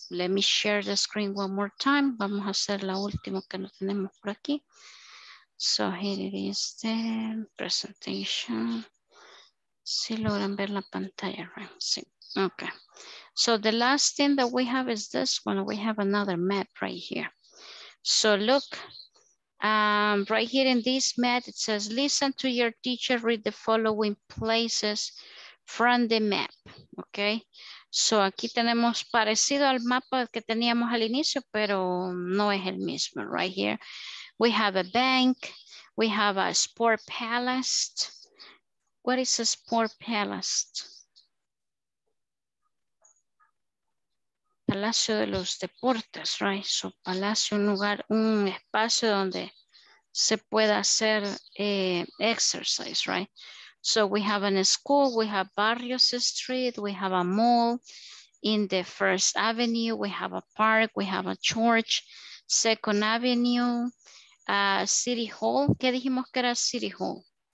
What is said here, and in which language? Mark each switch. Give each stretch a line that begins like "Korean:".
English: Let me share the screen one more time.
Spanish: Vamos a hacer la última que no tenemos por aquí.
English: So here it is, the presentation.
Spanish: Si logran ver la pantalla, right? Sí. Okay.
English: So the last thing that we have is this one. We have another map right here. So look, right here in this map, it says, listen to your teacher read the following places from the map. Okay.
Spanish: So aquí tenemos parecido al mapa que teníamos al inicio, pero no es el mismo
English: right here. We have a bank. We have a sport palace. What is a sport palace?
Spanish: Palacio de los deportes, right? So, palacio, un lugar, un espacio donde se pueda hacer exercise, right?
English: So, we have a school. We have Barrios Street. We have a mall in the First Avenue. We have a park. We have a church, Second Avenue.
Spanish: City Hall, ¿qué dijimos que era City Hall?